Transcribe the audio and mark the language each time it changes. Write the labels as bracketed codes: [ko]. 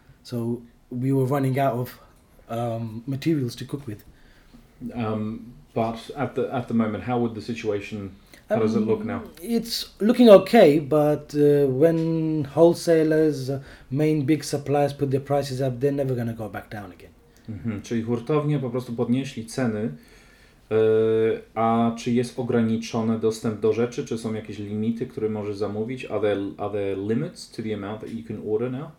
[en] So we were running out of materials to cook with. But at the moment, how would the situation, how does it look now? It's looking okay, but when wholesalers, main big suppliers put their prices up, they're never going to go back down again. Mm-hmm. [pl] Czyli hurtownie po prostu podnieśli ceny. A czy jest ograniczony dostęp do rzeczy? Czy są jakieś limity, które możesz zamówić? [en] Are there limits to the amount that you can order now?